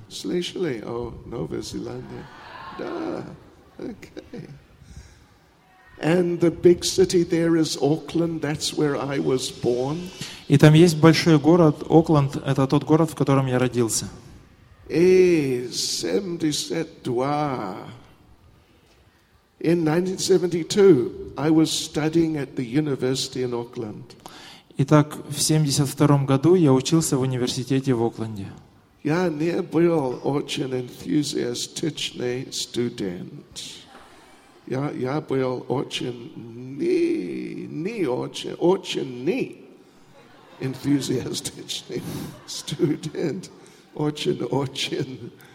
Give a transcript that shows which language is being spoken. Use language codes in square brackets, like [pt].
[ru] Слышали? О, Новая Зеландия. Да. Okay. [en] And the big city there is Auckland. That's where I was born. [ru] И там есть большой город Окленд. Это тот город, в котором я родился. Эй, 72. [en] In 1972, I was studying at the university in Auckland. [ru] Итак, в 72 году я учился в университете в Окленде. Я не был очень энтузиастичный студент. Я был очень не энтузиастичный студент. Очень-очень.